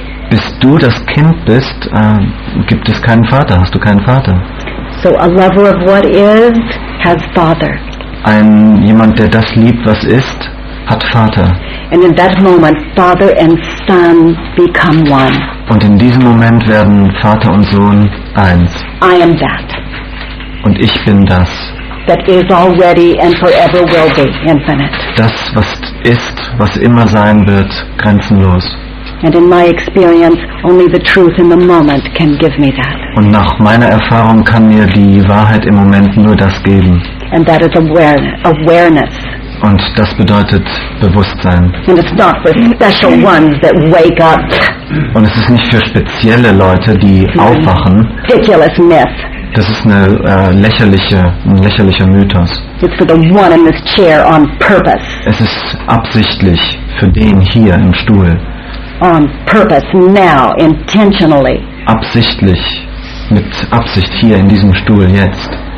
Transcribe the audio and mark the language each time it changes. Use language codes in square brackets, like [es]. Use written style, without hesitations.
[de] Bis du das Kind bist, gibt es keinen Vater, hast du keinen Vater. [en] So a lover of what is has father. [de] Jemand, der das liebt, was ist, hat Vater. [en] And in that moment, father and son become one. [de] Und in diesem Moment werden Vater und Sohn eins. [en] I am that. [de] Und ich bin das. [en] That is already and forever will be infinite. [de] Das, was ist, was immer sein wird, grenzenlos. [en] And in my experience, only the truth in the moment can give me that. [de] Und nach meiner Erfahrung kann mir die Wahrheit im Moment nur das geben. [en] And that is awareness. [de] Und das bedeutet Bewusstsein. [en] And it's not for special ones that wake up. [de] Und es ist nicht für spezielle Leute, die aufwachen. [en] Ridiculous myth. [de] Das ist ein lächerlicher Mythos. [en] It's for the one in this chair on purpose. [de] Es ist absichtlich für den hier im Stuhl. [en] On purpose, now, intentionally. [de] Absichtlich, mit Absicht hier in diesem Stuhl jetzt.